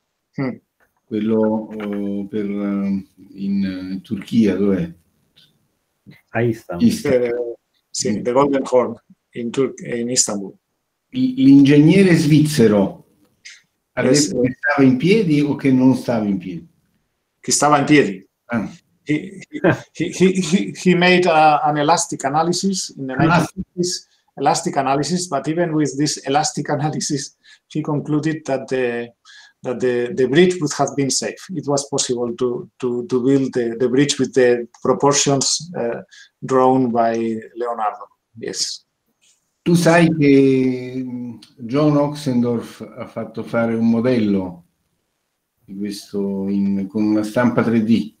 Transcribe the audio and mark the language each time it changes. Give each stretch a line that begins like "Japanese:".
Italian: Quello per in Turchia, dov'è? A Istanbul.
English: Sì, the Golden Horn in in Istanbul.
Italian: L'ingegnere svizzero ha detto che stava in piedi o che non stava in piedi? Che stava in piedi.
English: He made an elastic analysis in the 1950s, elastic analysis, but even with this elastic analysis, he concluded that the bridge would have been safe. It was possible to build the bridge with the proportions drawn by Leonardo. Yes.
Italian: Tu sai che John Oxendorf ha fatto fare un modello di questo con una stampa 3D.